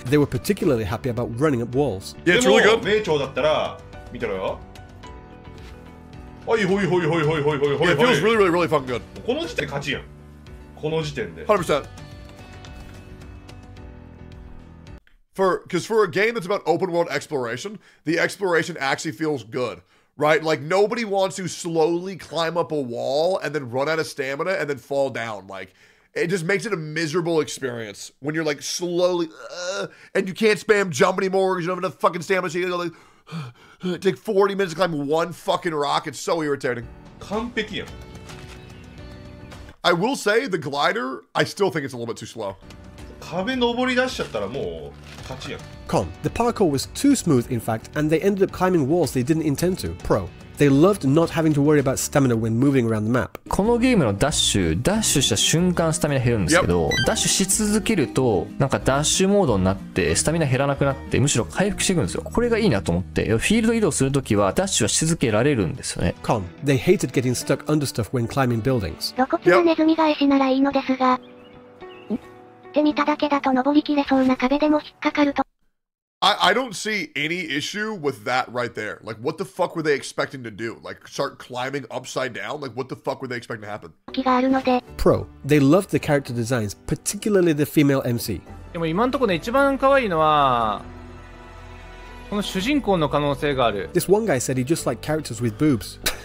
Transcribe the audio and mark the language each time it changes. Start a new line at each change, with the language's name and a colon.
English: They were particularly happy about running up walls. Yeah, it's really good.
Japanese: 名調だったら見てろよ。おいほいほいほいほいほいほいほい。
English: It feels really, really, really fucking good.
Japanese: この時点で勝ちやん。この時点で。
English: 100%. Because for a game that's about open world exploration, the exploration actually feels good, right? Like, nobody wants to slowly climb up a wall and then run out of stamina and then fall down. Like, it just makes it a miserable experience when you're, like, slowly, and you can't spam jump anymore because you don't have enough fucking stamina. So you gotta go, like, take 40 minutes to climb one fucking rock. It's so irritating. Come pick him. I will say, the glider, I still think it's a little bit too slow. Con. The parkour was too smooth, in fact, and they ended up climbing walls they didn't intend to. Pro. They loved not having to worry about stamina when moving around the map.
Japanese: このゲームのダッシュした瞬間スタミナ減るんですけど、ダッシュし続けるとなんかダッシュモードになってスタミナ減らなくなって、むしろ回復してくるんですよ。これがいいなと思って、フィールド移動するときはダッシュはし続けられるんですよね。
English: Con. They hated getting stuck under stuff when climbing buildings.
Japanese: どこかのネズミが石ならいいのですが。
English: I don't see any issue with that right there. Like, what the fuck were they expecting to do? Like, start climbing upside down? Like, what the fuck were they expecting to happen? Pro. They loved the character designs, particularly the female MC. This one guy said he just liked characters with boobs.